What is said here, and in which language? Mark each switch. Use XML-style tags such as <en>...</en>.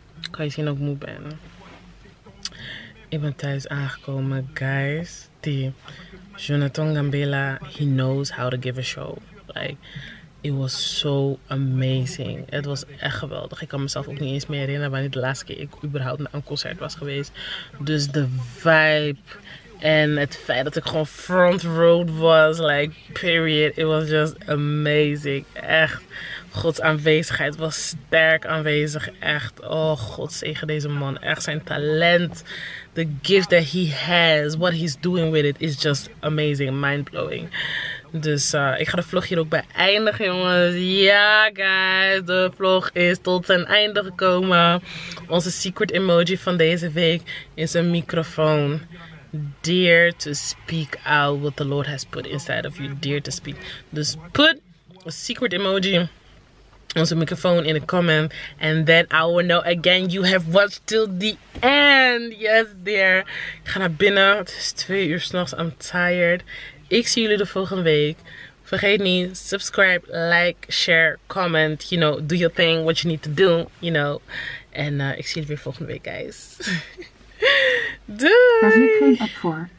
<nl>Kan je zien dat ik moe ben? Ik ben thuis aangekomen, guys.</nl> <en>Die Jonathan Gambela, he knows how to give a show. Like, it was so amazing.</en> <nl>Het was echt geweldig. Ik kan mezelf ook niet eens meer herinneren wanneer de laatste keer ik überhaupt naar een concert was geweest. Dus de vibe en het feit dat ik gewoon front row was, like, period.</nl> <en>It was just amazing.</en> <nl>Echt. Gods aanwezigheid was sterk aanwezig, echt. Oh, God zegen deze man. Echt zijn talent.</nl> <en>The gift that he has, what he's doing with it, is just amazing, mind-blowing.</en> <nl>Dus ik ga de vlog hier ook bij eindigen, jongens. Ja, guys, de vlog is tot zijn einde gekomen. Onze secret emoji van deze week is een microfoon.</nl> <en>Dare to speak out what the Lord has put inside of you. Dare to speak.</en> <nl>Dus</nl> <en>put a secret emoji.</en> <nl>Onze microfoon in de comment.</nl> <en>And then I will know again you have watched till the end. Yes, dear.</en> <nl>Ik ga naar binnen. Het is 2:00 s'nachts.</nl> <en>I'm tired.</en> <nl>Ik zie jullie de volgende week. Vergeet niet.</nl> <en>Subscribe, like, share, comment. You know, do your thing. What you need to do. You know.</en> <nl>En ik zie jullie weer volgende week, guys. Doei. Daar zit geen app voor.</nl>